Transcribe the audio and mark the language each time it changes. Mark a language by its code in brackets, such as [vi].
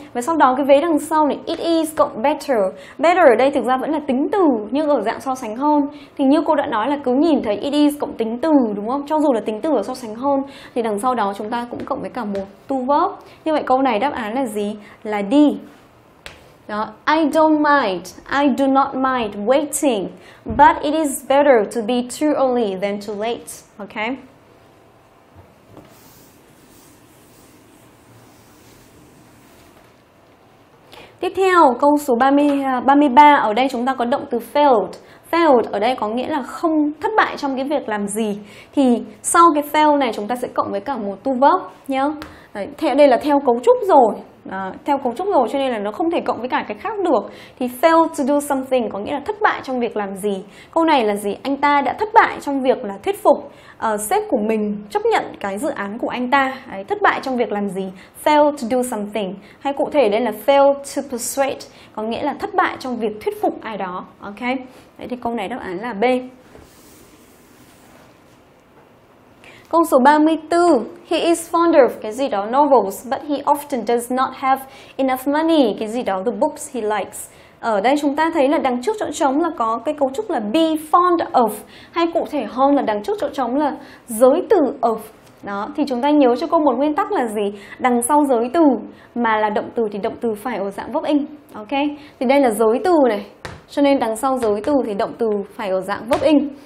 [vi] Và sau đó cái vế đằng sau này, it is cộng better. Better ở đây thực ra vẫn là tính từ, nhưng ở dạng so sánh hơn. Thì như cô đã nói là cứ nhìn thấy it is cộng tính từ, đúng không? Cho dù là tính từ ở so sánh hơn, thì đằng sau đó chúng ta cũng cộng với cả một to verb. Như vậy câu này đáp án là gì? Là D. Đó. [en] I don't mind, I do not mind waiting, but it is better to be too early than too late. Okay? [vi] Tiếp theo, câu số 33 ở đây chúng ta có động từ failed. Failed ở đây có nghĩa là không, thất bại trong cái việc làm gì. Thì sau cái fail này chúng ta sẽ cộng với cả một to verb nhá. Theo đây là theo cấu trúc rồi. Theo cấu trúc rồi cho nên là nó không thể cộng với cả cái khác được. Thì fail to do something có nghĩa là thất bại trong việc làm gì. Câu này là gì? Anh ta đã thất bại trong việc là thuyết phục sếp của mình chấp nhận cái dự án của anh ta. Đấy, thất bại trong việc làm gì? [en] Fail to do something. [vi] Hay cụ thể đây là fail to persuade, có nghĩa là thất bại trong việc thuyết phục ai đó. Ok. Đấy, thì câu này đáp án là B. [en] Câu số 34, he is fond of [vi] cái gì đó [en] novels, but he often does not have enough money, cái gì đó the books he likes. [vi] Ở đây chúng ta thấy là đằng trước chỗ trống là có cái cấu trúc là be fond of, hay cụ thể hơn là đằng trước chỗ trống là giới từ of. Đó, thì chúng ta nhớ cho cô một nguyên tắc là gì? Đằng sau giới từ mà là động từ thì động từ phải ở dạng verb ing. Ok, thì đây là giới từ này, cho nên đằng sau giới từ thì động từ phải ở dạng verb ing.